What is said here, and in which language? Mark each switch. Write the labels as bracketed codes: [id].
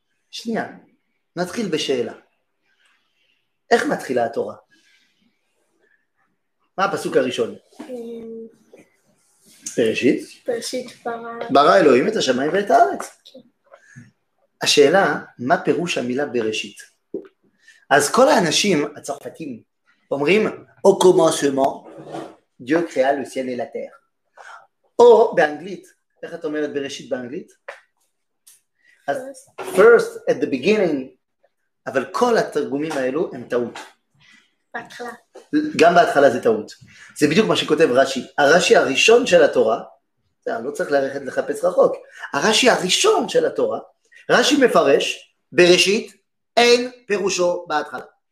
[he] שנייה, נתחיל בשאלה. איך מתחילה התורה? מה הפסוק הראשון? פרשית? פרשית ברא. ברא אלוהים את השמיים ואת הארץ. כן. השאלה, מה פירוש המילה בראשית? אז כל האנשים הצרפתים אומרים, [fr] au commencement, Dieu créa le ciel et la terre. [he] או באנגלית, איך את אומרת בראשית באנגלית? [en] First, at the beginning, [he] אבל כל התרגומים האלו הם טעות. בהתחלה. גם בהתחלה זה טעות. זה בדיוק מה שכותב רשי. הרשי הראשון של התורה, לא צריך ללכת לחפש רחוק, הרשי הראשון של התורה, רשי מפרש, בראשית, אין פירושו בהתחלה.